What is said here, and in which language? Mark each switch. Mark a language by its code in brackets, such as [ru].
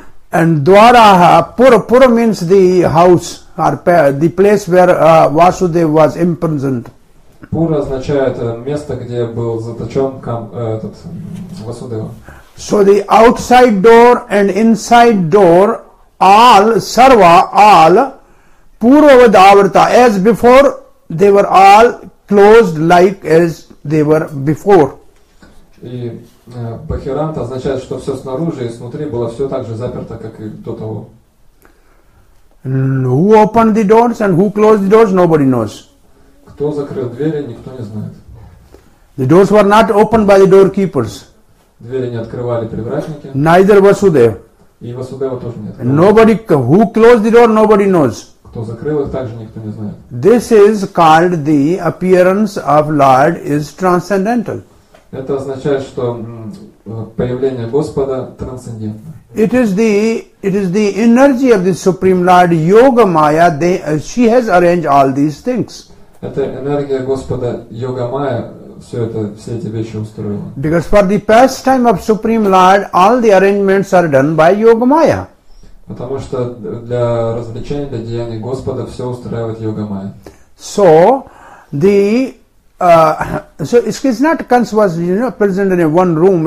[en] And Dwara, Pura means the house, or the place where Vasudev was imprisoned. [ru] Pura означает место, где был заточен этот Васудева. [en] So the outside door and inside door, all, sarva, all, Purvavad Avrata, as before, they were all closed like as they were before. [ru] И Бахиранта означает, что все снаружи и снутри было все так же заперто, как и до того. [en] Who opened the doors and who closed the doors, nobody knows. [ru] Кто закрыл двери, никто не знает. [en] The doors were not opened by the doorkeepers. [ru] Двери не открывали привратники. [en] Neither Vasudev. [ru] И Васудева тоже не открывали. [en] Nobody, who closed the door, nobody knows. [ru] Кто закрыл их, также никто не знает. [en] This is called the appearance of Lord is transcendental. [ru] Это означает, что появление Господа трансцендентно. [en] It is the energy of the Supreme Lord, Yoga Maya, she has arranged all these things. [ru] Это энергия Господа, Йога Майя, все эти вещи устроила. [en] Because for the pastime of Supreme Lord, all the arrangements are done by Yoga Maya. [ru] Потому что для развлечений, для деяний Господа все устраивает Йога Майя. [en] So, So it's not Kans was, you know, present in a one room.